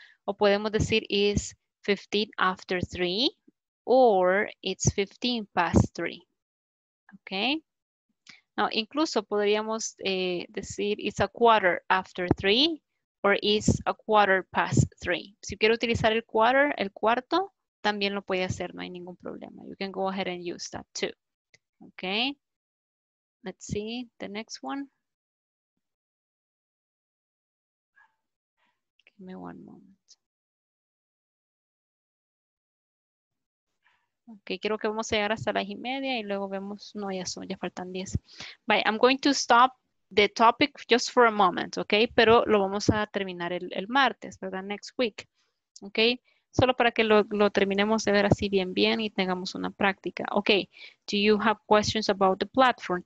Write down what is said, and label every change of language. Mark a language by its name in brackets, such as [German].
[Spanish] O podemos decir [English] it's 15 after 3 or it's 15 past 3. ¿ok? [Spanish] No, incluso podríamos decir [English] it's a quarter after three or it's a quarter past three. [Spanish] Si quiero utilizar el quarter, el cuarto, también lo puede hacer, no hay ningún problema. [English] You can go ahead and use that too. ¿Ok? Let's see the next one. Give me one moment. [Spanish] Ok, quiero que vamos a llegar hasta las y media y luego vemos, no, ya son, ya faltan 10. [English] Bye, I'm going to stop the topic just for a moment, ok? [Spanish] Pero lo vamos a terminar el martes, ¿verdad? [English] Next week, ok? [Spanish] Solo para que lo terminemos de ver así bien, bien y tengamos una práctica. [English] Ok, do you have questions about the platform?